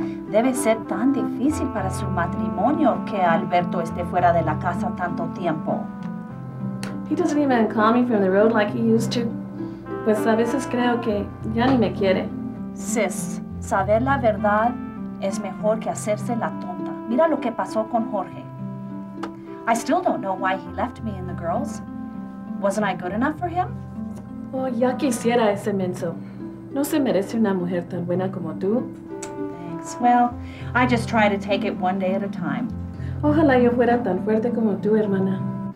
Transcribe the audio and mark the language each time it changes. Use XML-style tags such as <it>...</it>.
<es>Debe ser tan difícil para su matrimonio que Alberto esté fuera de la casa tanto tiempo.</es> <en>He doesn't even call me from the road like he used to.</en> <es>Pues a veces creo que ya ni me quiere. Sis, saber la verdad es mejor que hacerse la tonta. Mira lo que pasó con Jorge.</es> <en>I still don't know why he left me and the girls. Wasn't I good enough for him?</en> <es>Oh, ya quisiera ese menso. No se merece una mujer tan buena como tú.</es> <en>Thanks. Well, I just try to take it one day at a time.</en> <es>Ojalá yo fuera tan fuerte como tú, hermana.</es>